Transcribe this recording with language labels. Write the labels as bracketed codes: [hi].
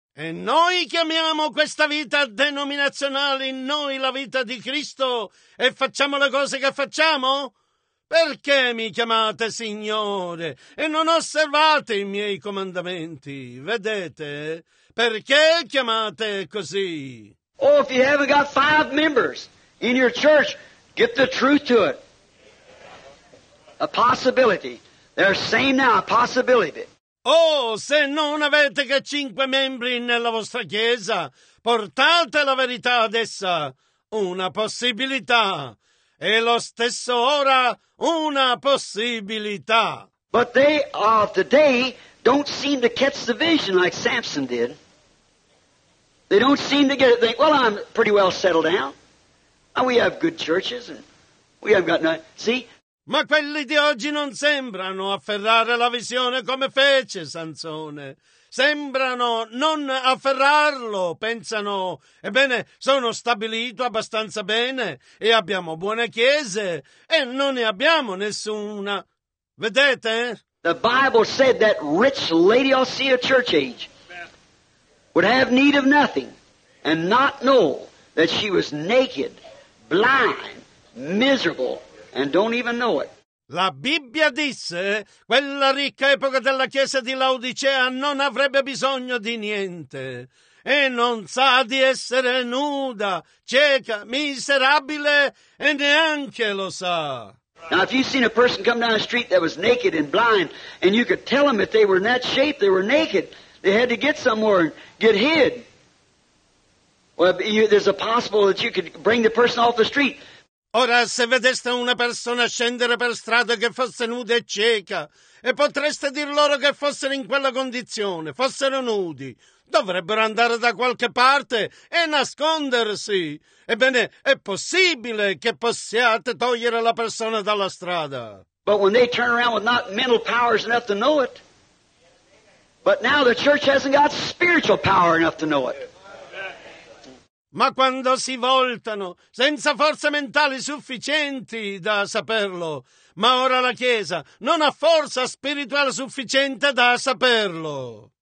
[it] E noi chiamiamo questa vita denominazionale in noi la vita di Cristo e facciamo le cose che facciamo? Perché mi chiamate Signore e non osservate i miei comandamenti? Vedete? Perché chiamate così? [en] Oh, if you haven't got five members in your church, get the truth to it. A possibility. They're saying now, a possibility. [it] Oh, se non avete che cinque membri nella vostra chiesa, portate la verità ad essa. Una possibilità. E lo stesso ora, una possibilità. [en] But they of today don't seem to catch the vision like Samson did. They don't seem to get it. They think, well, I'm pretty well settled down. We have good churches and we have got nothing. See? [it] Ma quelli di oggi non sembrano afferrare la visione come fece Sansone. Sembrano non afferrarlo. Pensano, ebbene, sono stabilito abbastanza bene e abbiamo buone chiese e non ne abbiamo nessuna. Vedete? [en] The Bible said that rich Laodicea church age would have need of nothing and not know that she was naked, blind, miserable, and don't even know it. [it] La Bibbia disse, quella ricca epoca della chiesa di Laodicea non avrebbe bisogno di niente e non sa di essere nuda, cieca, miserabile e neanche lo sa. [en] Now, if you've seen a person come down the street that was naked and blind and you could tell them if they were in that shape, they were naked, they had to get somewhere and get hid. Well, there's a possibility that you could bring the person off the street. [it] Ora, se vedeste una persona scendere per strada che fosse nuda e cieca, e potreste dir loro che fossero in quella condizione, fossero nudi, dovrebbero andare da qualche parte e nascondersi. Ebbene, è possibile che possiate togliere la persona dalla strada. [en] But when they turn around with not mental powers enough to know it, but now the church hasn't got spiritual power enough to know it. [it] Ma quando si voltano, senza forze mentali sufficienti da saperlo, ma ora la Chiesa non ha forza spirituale sufficiente da saperlo.